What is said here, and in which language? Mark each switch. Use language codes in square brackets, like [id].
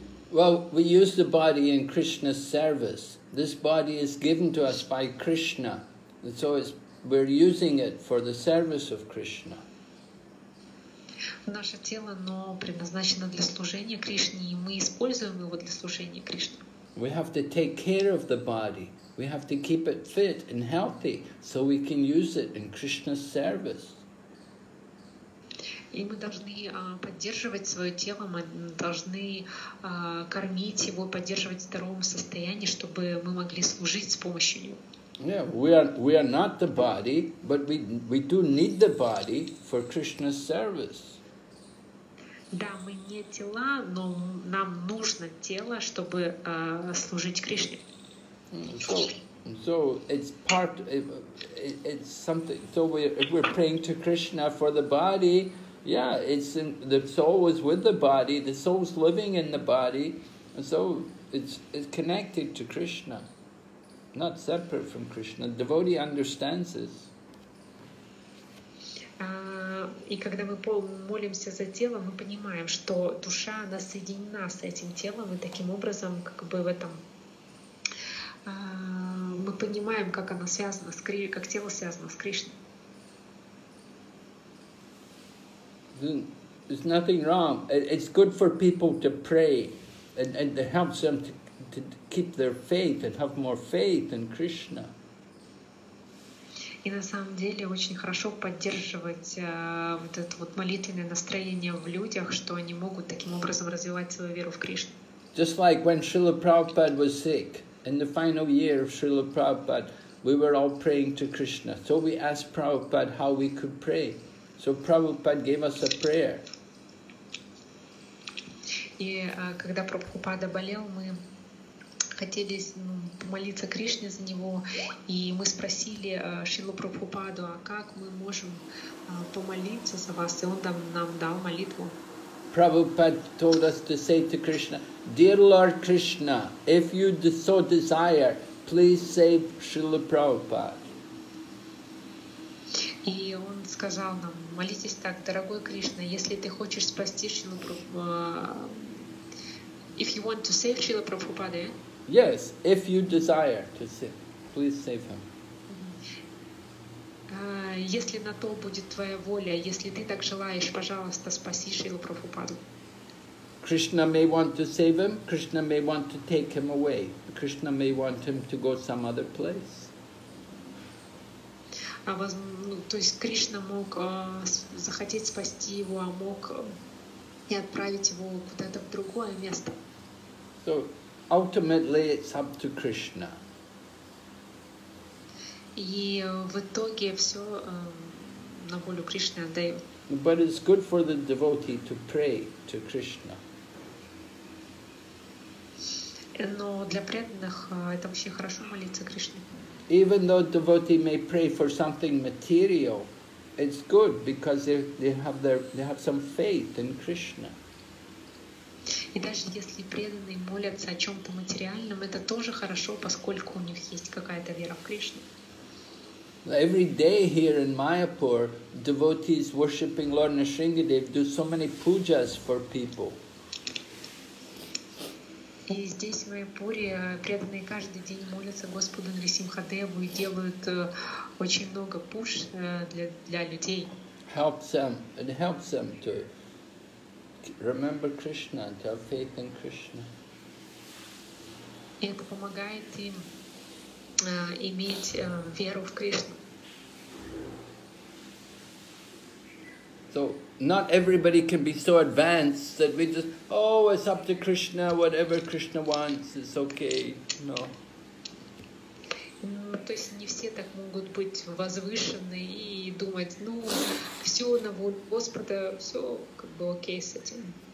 [en] Well, we use the body in Krishna's service. This body is given to us by Krishna, and so we're using it for the service of Krishna. [ru] Наше тело, оно предназначено для служения Кришне, и мы используем его для служения Кришне. [en] We have to take care of the body. We have to keep it fit and healthy so we can use it in Krishna's service. [ru] И мы должны поддерживать свое тело, мы должны кормить его, поддерживать в здоровом состоянии, чтобы мы могли служить с помощью него. [en] Yeah, we are not the body, but we do need the body for Krishna's service. [ru] Да, мы не тела, но нам нужно тело, чтобы служить Кришне. [en] So it's part. It's something. So we're praying to Krishna for the body. Yeah, it's in, the soul is with the body. The soul is living in the body, and so it's connected to Krishna, not separate from Krishna. The devotee understands this. [ru] И когда мы молимся за тело, мы понимаем, что душа она соединена с этим телом, и таким образом как бы в этом. Мы понимаем, как оно связано с Кришной, как тело связано с Кришной. [en] There's nothing wrong. It's good for people to pray, and it helps them to keep their faith and have more faith in Krishna. [ru] И на самом деле очень хорошо поддерживать вот это вот молитвенное настроение в людях, что они могут таким образом развивать свою веру в Кришну. [en] Just like when Srila Prabhupada was sick. In the final year of Srila Prabhupada, we were all praying to Krishna. So we asked Prabhupada how we could pray. So Prabhupada gave us a prayer. [ru] И когда Прабхупада болел, мы хотели молиться Кришне за него, и мы спросили Шрилу Прабхупаду, а как мы можем помолиться за вас? И он нам дал молитву. [en] Prabhupada told us to say to Krishna, Dear Lord Krishna, if you so desire, please save Srila Prabhupada. [ru] И он сказал нам, молитесь так, дорогой Кришна, если ты хочешь спасти Шрилу Прабхупаду, [en] if you want to save Srila Prabhupada, eh? Yes, if you desire to save, please save him. [ru] Если на то будет твоя воля, если ты так желаешь, пожалуйста, спаси Шрилу Прабхупаду. [en] Krishna may want to save him, Krishna may want to take him away. Krishna may want him to go some other place. [ru] то есть Кришна мог захотеть спасти его, а мог и отправить его куда-то в другое место. [en] So ultimately it's up to Krishna. [ru] И в итоге все на волю Кришны отдаем. [en] But it's good for the devotee to pray to Krishna. [ru] Но для преданных это вообще хорошо молиться Кришне. [en] Even though devotee may pray for something material, it's good because they have some faith in Krishna. [ru] И даже если преданные молятся о чем-то материальном, это тоже хорошо, поскольку у них есть какая-то вера в Кришну. [en] Every day here in Mayapur, devotees worshipping Lord Nrisingadev do so many pujas for people. [ru] И здесь, в Майяпуре, преданные каждый день молятся Господу Нрисимхадеву и делают очень много пуш для людей. [en] It helps them to remember Krishna, to have faith in Krishna. [ru] И это помогает им иметь веру в Кришну. [en] So not everybody can be so advanced that we just, oh, it's up to Krishna, whatever Krishna wants, it's okay. No. [ru] То есть не все так могут быть возвышены и думать, ну, все на волю Господа, все как бы окей с этим.